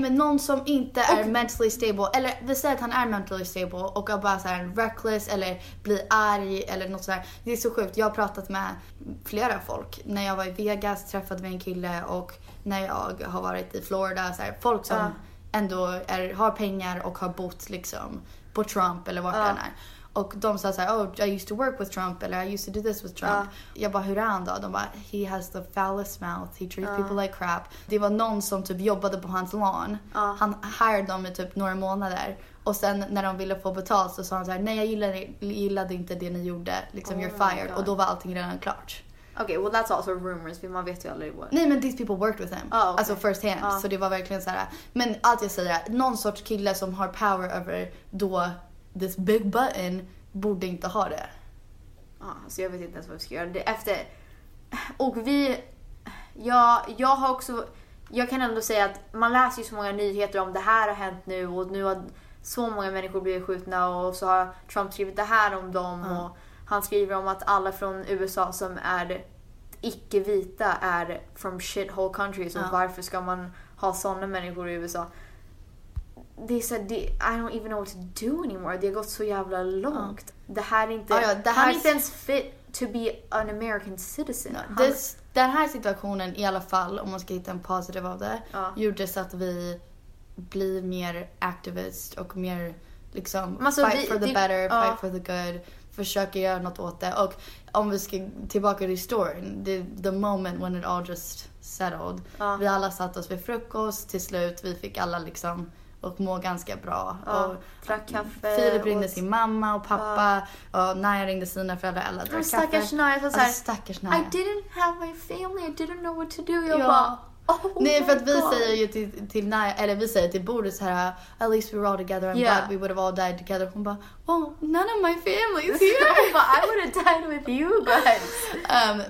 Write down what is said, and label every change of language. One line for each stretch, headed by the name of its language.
Swedish: Nej, men någon som inte är mentally stable, eller vi säger att han är mentally stable och är bara såhär reckless eller blir arg eller något sådär. Det är så sjukt. Jag har pratat med flera folk. När jag var i Vegas träffade vi en kille, och när jag har varit i Florida så här, folk som ändå har pengar och har bott liksom på Trump eller vart han är. Och de sa såhär,
English: oh, I used to work with Trump,
Swedish: eller
English: I used to do this with Trump.
Swedish: Jag bara, hur är han då? De bara,
English: he has the foulest mouth, he treats people like crap.
Swedish: Det var någon som typ jobbade på hans lawn. Han hired dem i typ några månader. Och sen när de ville få betalt så sa han såhär, nej, jag gillade inte det ni gjorde. Liksom,
English: you're fired.
Swedish: Och då var allting redan klart.
English: Okay, well that's also rumors,
Swedish: för man vet ju aldrig vad. Nej, men
English: these people worked with him.
Swedish: Alltså
English: first hand.
Swedish: Så det var verkligen såhär. Men allt jag säger är, någon sorts kille som har power över då
English: this big button
Swedish: borde inte ha det. Ja, så jag vet inte ens vad vi ska göra. Det efter. Och vi, jag har också, jag kan ändå säga att man läser ju så många nyheter om det här har hänt nu, och nu har så många människor blivit skjutna, och så har Trump skrivit det här om dem, och han skriver om att alla från USA som är icke-vita är
English: from shithole countries,
Swedish: och varför ska man ha såna människor i USA?
English: They said I don't even know what to do anymore. They got so
Swedish: jävla långt. Det här är inte ens
English: fit to be an American citizen.
Swedish: No, den här situationen i alla fall, om man ska hitta en positive av det, gjorde så att vi blir mer activist och mer liksom
English: fight for the good,
Swedish: försöka göra något åt det. Och om vi ska tillbaka till storyn,
English: the moment when it all just settled.
Swedish: Vi alla satt oss vid frukost till slut, vi fick alla liksom och må ganska bra. Ja, och drack kaffe. Filip ringde till mamma och pappa. Ja. Och Naya ringde sina föräldrar. Alla drack kaffe. Stackars Naya. Så alltså, stackars Naya.
English: I didn't have my family. I didn't know what to do.
Swedish: Jag bara... Oh, nej, för att vi
English: God.
Swedish: Säger ju till Naya, eller vi säger till Boris här,
English: at least we were all together, I'm glad we would have all died together.
Swedish: Hon bara,
English: well, none of my family is here.
Swedish: Hon bara,
English: I would have died with you guys.